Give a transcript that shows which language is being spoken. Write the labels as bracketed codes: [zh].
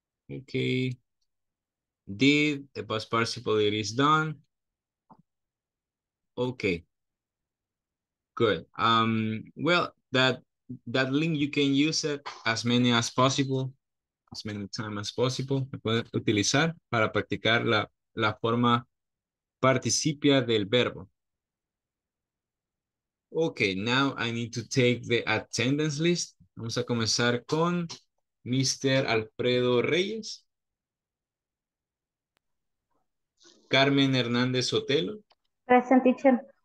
[en] Okay. Did the past participle, it is done. Okay. Good. Well, that link, you can use it as many as possible, as many times as possible. [es] Me puede utilizar para practicar la forma participia del verbo. [en] Okay, now I need to take the attendance list. [es] Vamos a comenzar con Mr. Alfredo Reyes. Carmen Hernández Otelo. [en] Present, teacher.